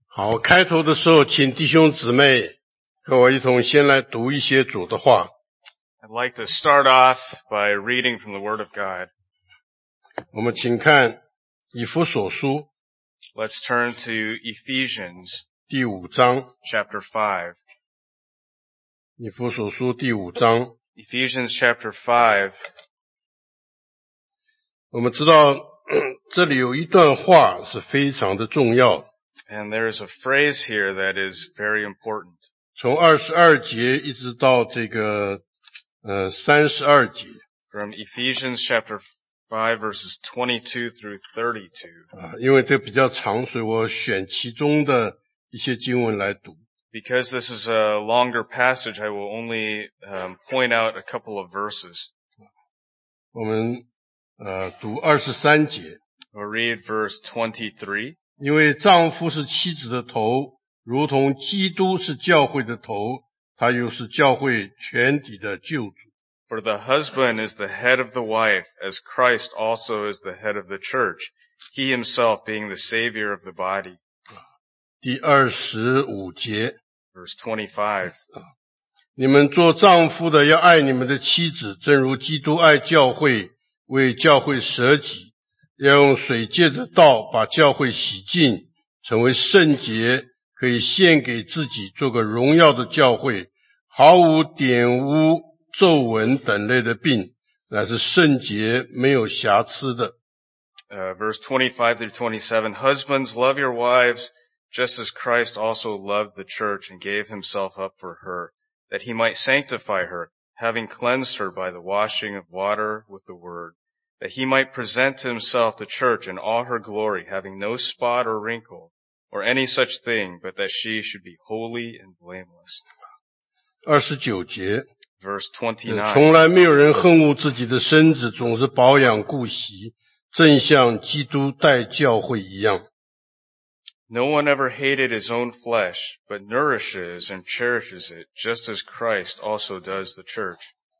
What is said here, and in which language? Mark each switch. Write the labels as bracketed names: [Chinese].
[Chinese] 好，开头的时候，请弟兄姊妹和我一同先来读一些主的话。 [English] I'd like to start off by reading from the Word of God. [Chinese] 我们请看以弗所书。 [English] Let's turn to Ephesians. [Chinese] 第五章。 [English] Chapter 5. [Chinese] 以弗所书第五章。 [English] Ephesians chapter 5. [Chinese] 我们知道这里有一段话是非常的重要。 [English] And there is a phrase here that is very important. [Chinese] 从22节一直到这个32节。 [English] From Ephesians chapter 5 verses 22 through 32. [Chinese] 因为这比较长，所以我选其中的一些经文来读。 [English] Because this is a longer passage, I will only point out a couple of verses. [Chinese] 我们读23节。 [English] We'll read verse 23. [Chinese] 因为丈夫是妻子的头，如同基督是教会的头，他又是教会全体的救主。 [English] For the husband is the head of the wife, as Christ also is the head of the church, he himself being the savior of the body. [Chinese] 第二十五节。 [English] Verse 25. [Chinese] 你们做丈夫的要爱你们的妻子，正如基督爱教会，为教会舍己。要用水借着道把教会洗净，成为圣洁，可以献给自己，做个荣耀的教会，毫无玷污、皱纹等类的病，乃是圣洁，没有瑕疵的。 [English] Verse 25 through 27, Husbands, love your wives, just as Christ also loved the church and gave himself up for her, that he might sanctify her, having cleansed her by the washing of water with the word. That he might present to himself the church in all her glory, having no spot or wrinkle or any such thing, but that she should be holy and blameless. [Chinese] 二十九节。 [English] Verse 29. [Chinese] 从来没有人恨恶自己的身子，总是保养顾惜，正像基督待教会一样。 [English] No one ever hated his own flesh, but nourishes and cherishes it, just as Christ also does the church.